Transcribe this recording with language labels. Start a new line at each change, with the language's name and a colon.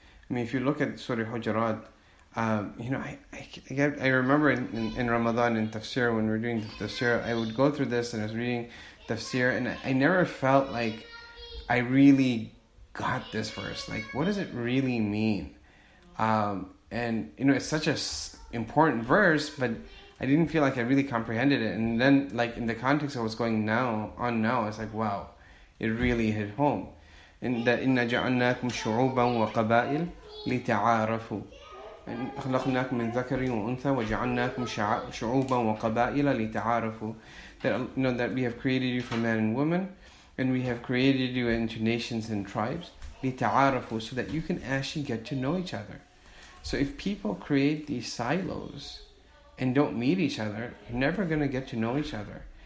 English: I mean, if you look at Surah Hujarat, you know, I remember in Ramadan in Tafsir, when we were doing the Tafsir, I would go through this and I was reading Tafsir, and I never felt like I really got this verse. Like, what does it really mean? And, you know, it's such an important verse, but I didn't feel like I really comprehended it. And then, like, in the context of what's going on now, it's like, wow, it really hit home.
Arabic: إن جعلناكم شعوبا وقبائل لتعارفوا. إن خلقناكم من ذكر وأنثى وجعلناكم شعوبا وقبائل لتعارفوا.
English: That we have created you for man and woman, and we have created you into nations and tribes, لتعارفوا, so that you can actually get to know each other. So if people create these silos and don't meet each other, you're never going to get to know each other.